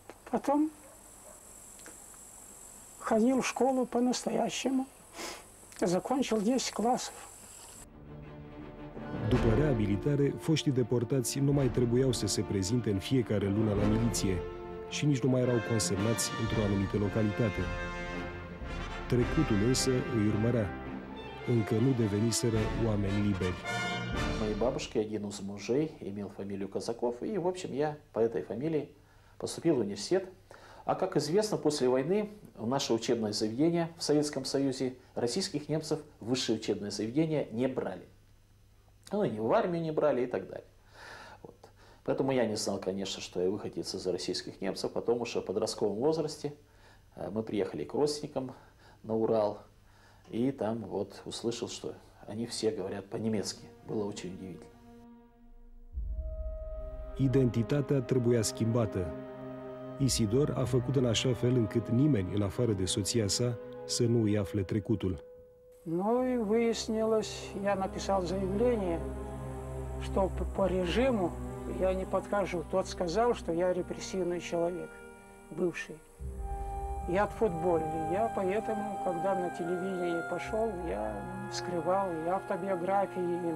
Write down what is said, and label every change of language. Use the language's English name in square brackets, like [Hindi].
[Russian] Потом ходил в школу по-настоящему, закончил 10 класов. [Romanian] După reabilitare, foștii deportați nu mai trebuiau să se prezinte în fiecare lună la miliție și nici nu mai erau consemnați într-o anumită localitate. Trecutul însă îi urmărea. Încă nu deveniseră oameni liberi. [Russian] Моей бабушке один из мужей имел фамилию Казаков, и, в общем, я по этой фамилии поступил в университет. А как известно, после войны в наше учебное заведение в Советском Союзе российских немцев высшее учебное заведение не брали. Ну, и в армию не брали, и так далее. Вот. Поэтому я не знал, конечно, что я выходец из российских немцев, потому что в подростковом возрасте мы приехали к родственникам на Урал, и там вот услышал, что они все говорят по-немецки. Было очень удивительно. [Romanian] Identitatea trebuia schimbată. Isidor a făcut în așa fel încât nimeni, în afară de soția sa, să nu îi afle trecutul. [Russian] Ну и выяснилось, я написал заявление, что по режиму я не подхожу. Тот сказал, что я репрессивный человек, бывший. Я отфутболил. Я поэтому, когда на телевидение пошел, я скрывал и автобиографии.